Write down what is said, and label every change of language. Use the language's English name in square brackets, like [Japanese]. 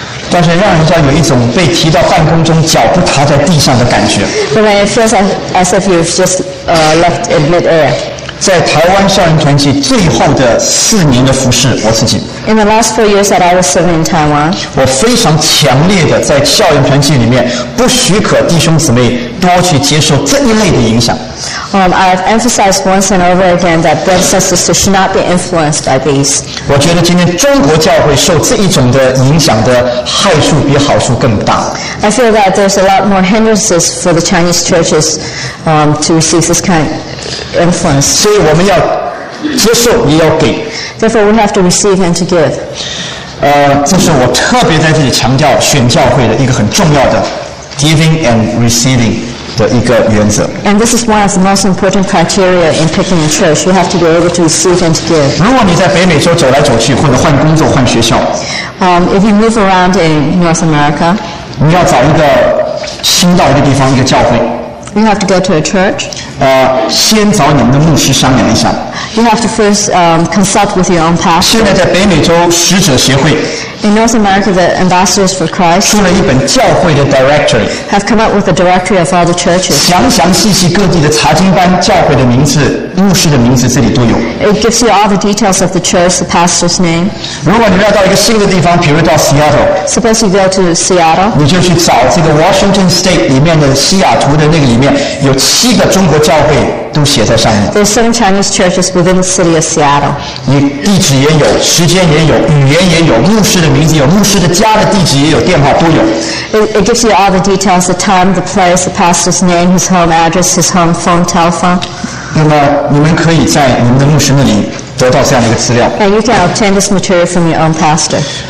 [Chinese] 但是让人家有一种被提到半空中脚不踏在地上的感觉。 [English] But it feels as if you've just left in mid-air. [Chinese] 在台湾校园团契最后的四年的服事，我自己。 [English] In the last 4 years that I was serving in Taiwan. [Chinese] 我非常强烈的在校园团契里面不许可弟兄姊妹多去接受这一类的影响。 [English] I've emphasized once and over again that brothers and sisters should not be influenced by these. [Chinese] 我觉得今天中国教会受这一种的影响的害处比好处更大。 [English] I feel that there's a lot more hindrances for the Chinese churches, to receive this kind of influence. [Chinese] 所以我们要接受，也要给。 [English] Therefore, we have to receive and to give. [Chinese] 这是我特别在这里强调选教会的一个很重要的 [English] giving and receiving. [Chinese] 的一个原则。 [English] And this is one of the most important criteria in picking a church. You have to be able to receive and give. [Chinese] 如果你在北美洲走来走去，或者换工作、换学校 [English] ，if you move around in North America, [Chinese] 你要找一个新到一个地方一个教会。 [English] You have to go to a church. [Chinese] 先找你们的牧师商量一下。 [English] You have to first consult with your own pastor. [Chinese] 现在在北美洲使者协会。 [English] In North America, the Ambassadors for Christ [Chinese] 出了一本教会的 directory, [English] have come up with a directory of all the churches. [Chinese] 详详细细各地的查经班、教会的名字、牧师的名字，这里都有。 [English] It gives you all the details of the church, the pastor's name. [Chinese] 如果你们要到一个新的地方，比如到 Seattle, [English] suppose you go to Seattle, [Chinese] 你就去找这个 Washington State 里面的西雅图的那个里面有七个中国教会。都写在上面。 [English] There's seven Chinese churches within the city of Seattle. [Chinese] 你地址也有，时间也有，语言也有，牧师的名字有，牧师的家的地址也有，电话都有。 [English] It gives you all the details: the time, the place, the pastor's name, his home address, his home phone, telephone. [Chinese] 那么你们可以在你们的牧师那里得到这样的一个资料。 [English] And you can obtain this material from your own pastor.